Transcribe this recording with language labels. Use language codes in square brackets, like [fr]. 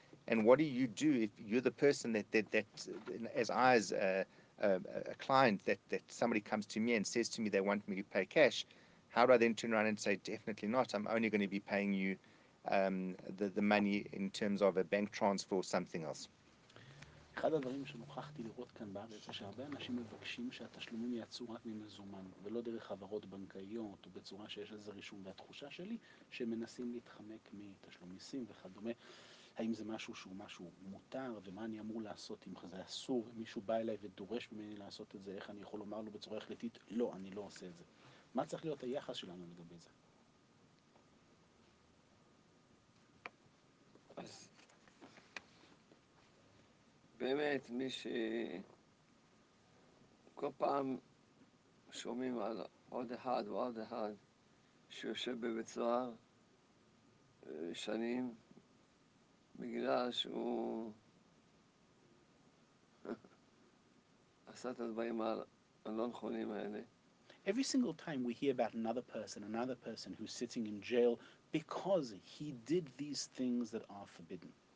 [en] And what do you do if you're the person that as I, as a client, that somebody comes to me and says to me they want me to pay cash, how do I then turn around and say, definitely not, I'm only going to be paying you the money in terms of a bank transfer or something else? [he] אחד הדברים שנוכחתי לראות כאן בארץ, שהרבה אנשים מבקשים שהתשלומים יעצו רק ממזומן, ולא דרך חברות בנקאיות, או בצורה שיש לזה רישום, והתחושה שלי, שמנסים להתחמק מתשלום מיסים וכדומה. האם זה משהו שהוא משהו מותר, ומה אני אמור לעשות אם זה אסור, אם מישהו בא אליי ודורש ממני לעשות את זה, איך אני יכול לומר לו בצורה החלטית, לא, אני לא עושה את זה. מה צריך להיות היחס שלנו לגבי זה? באמת, מי ש... כל פעם שומעים על עוד אחד ועוד אחד שיושב בבית סוהר, שנים בגלל שהוא עשה את הדברים הלא נכונים האלה. [en] Every single time we hear about another person who's sitting in jail because he did these things that are forbidden.